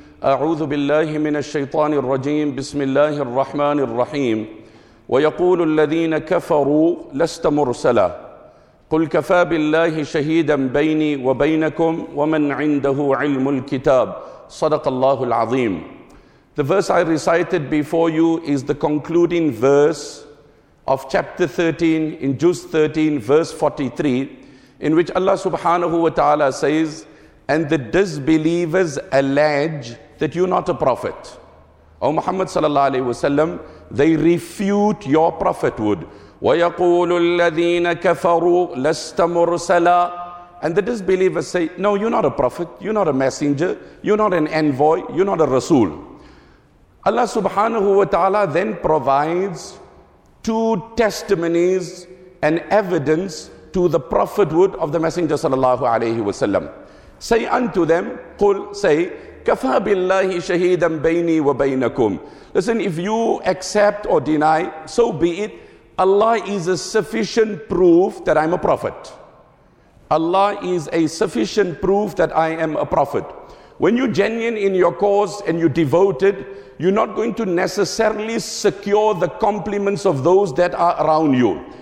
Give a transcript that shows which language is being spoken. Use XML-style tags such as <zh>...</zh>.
<ar>أعوذ بالله من الشيطان الرجيم، بسم الله الرحمن الرحيم. ويقول الذين كفروا لست مرسلا، قل كفى بالله شهيدا بيني وبينكم ومن عنده علم الكتاب. صدق الله العظيم.</ar> <en>The verse I recited before you is the concluding verse of chapter 13 in Juz 13 verse 43, in which Allah subhanahu wa ta'ala says, and the disbelievers allege that you're not a prophet. O Muhammad sallallahu alayhi wasallam, they refute your prophethood.</en> <ar>وَيَقُولُ الَّذِينَ كَفَرُوا لَسْتَ مُرْسَلًا.</ar> <en>And the disbelievers say, no, you're not a prophet, you're not a messenger, you're not an envoy, you're not a rasul. Allah subhanahu wa ta'ala then provides two testimonies and evidence to the prophethood of the messenger sallallahu alayhi wasallam. Say unto them,</en> <ar>قُلْ</ar> <en>say,</en> <ar>كَفَى بِاللَّهِ شَهِيدًا بَيْنِي وَبَيْنَكُمْ.</ar> <en>Listen, if you accept or deny, so be it. Allah is a sufficient proof that I'm a prophet. Allah is a sufficient proof that I am a prophet. When you're genuine in your cause and you're devoted, you're not going to necessarily secure the compliments of those that are around you.</en>